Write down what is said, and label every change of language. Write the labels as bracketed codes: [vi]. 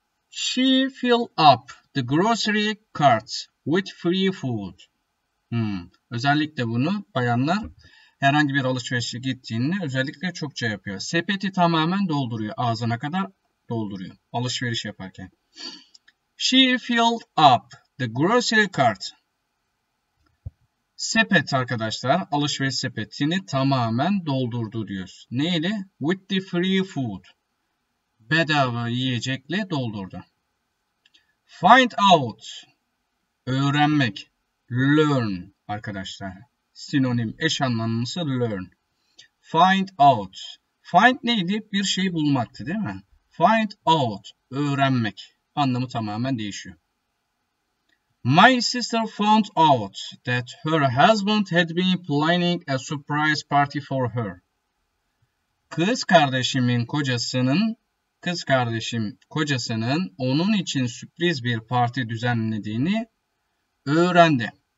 [en] She filled up the grocery cart with free food. [tr] Özellikle bunu bayanlar herhangi bir alışverişe gittiğinde özellikle çokça yapıyor. Sepeti tamamen dolduruyor. Ağzına kadar dolduruyor. Alışveriş yaparken. [en] She filled up the grocery cart. [tr] Sepet arkadaşlar, alışveriş sepetini tamamen doldurdu diyoruz. Neyle? [en] With the free food. [tr] Bedava yiyecekle doldurdu. Find out. Öğrenmek. Learn arkadaşlar. Sinonim eş anlamlısı learn. Find out. Find neydi? Bir şeyi bulmaktı, değil mi? Find out. Öğrenmek. Anlamı tamamen değişiyor. [en] My sister found out that her husband had been planning a surprise party for her. [tr] Kız kardeşim kocasının onun için sürpriz bir parti düzenlediğini öğrendi.